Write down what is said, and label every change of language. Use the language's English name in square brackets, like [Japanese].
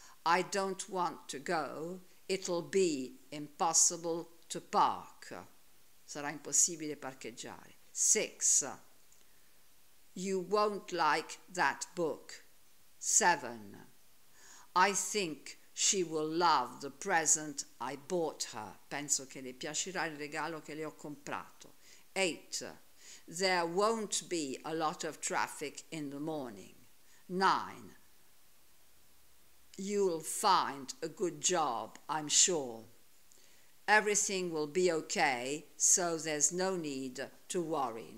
[English] I don't want to go. It'll be impossible to park. [Italian] Sarà impossibile parcheggiare. [English] 6. You won't like that book. 7. I think she will love the present I bought her. [Italian] Penso che le piacerà il regalo che le ho comprato. 8. [English] There won't be a lot of traffic in the morning. 9. You'll find a good job, I'm sure. Everything will be okay, so there's no need to worry.